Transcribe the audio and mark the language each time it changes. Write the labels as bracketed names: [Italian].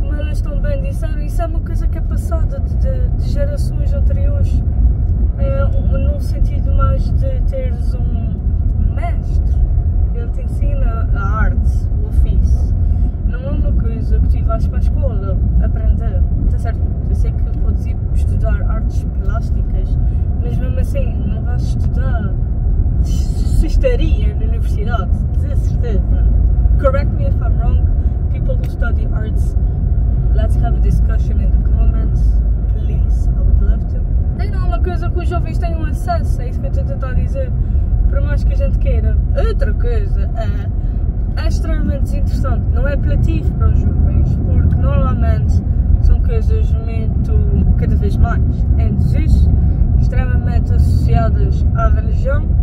[Portuguese] Estão bem, disseram, isso é uma coisa que é passada de gerações anteriores, num sentido mais de teres um mestre, ele te ensina a arte, o ofício. Não é uma coisa que tu vais para a escola aprender, está certo? Eu sei que podes ir estudar artes plásticas, mas mesmo assim, não vais estudar cestaria na universidade, de certeza. [English] Correct me if I'm wrong, people who study arts. Let's have a discussion in the comments, please. I would love to. [Portuguese] E não é uma coisa que os jovens tenham acesso, é isso que eu estou a tentar dizer, por mais que a gente queira. Outra coisa é extremamente desinteressante, não é apelativo para os jovens, porque normalmente são coisas muito, cada vez mais, em desuso, extremamente associadas à religião.